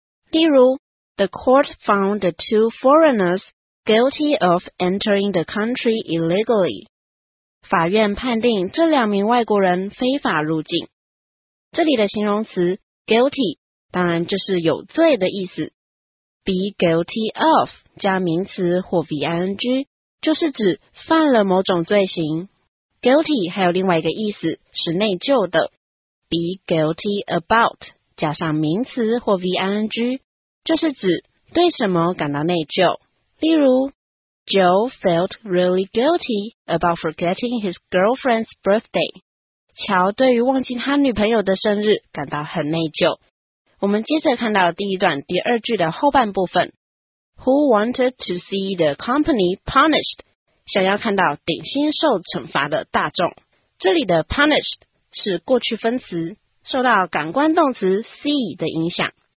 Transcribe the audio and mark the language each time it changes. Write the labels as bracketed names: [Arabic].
[Chinese] 例如 [English] The court found the two foreigners guilty of entering the country illegally. [Chinese] 法院判定这两名外国人非法入境。这里的形容词 guilty 当然就是有罪的意思。 Be guilty of 加名词或 ving 就是指犯了某种罪行。 Guilty 还有另外一个意思是内疚的。Be guilty about 加上名词或 ving。就是指对什么感到内疚，例如 [English] Joe felt really guilty about forgetting his girlfriend's birthday. [Chinese] 乔对于忘记他女朋友的生日感到很内疚。我们接着看到第一段第二句的后半部分。 [English] Who wanted to see the company punished? [Chinese] 想要看到鼎新受惩罚的大众。这里的 punished 是过去分词，受到感官动词 see 的影响。